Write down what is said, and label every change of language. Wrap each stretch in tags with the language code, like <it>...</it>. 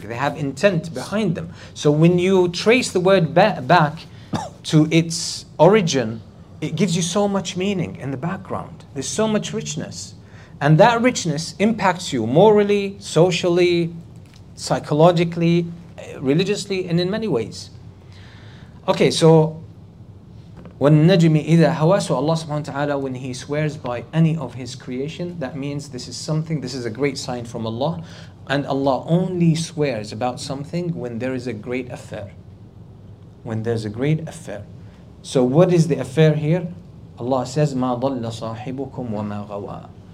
<en>They have intent behind them. So when you trace the word back to its origin, it gives you so much meaning in the background. There's so much richness. And that richness impacts you morally, socially, psychologically, religiously, and in many ways. Okay, so</en> <ar>وَالنَّجْمِ إِذَا هَوَى.</ar> <en>So Allah subhanahu wa ta'ala, when He swears by any of His creation, that means this is a great sign from Allah. And Allah only swears about something when there is a great affair. When there's a great affair. So what is the affair here? Allah says,</en> <ar>مَا ضَلَّ صَاحِبُكُمْ وَمَا غَوَى.</ar>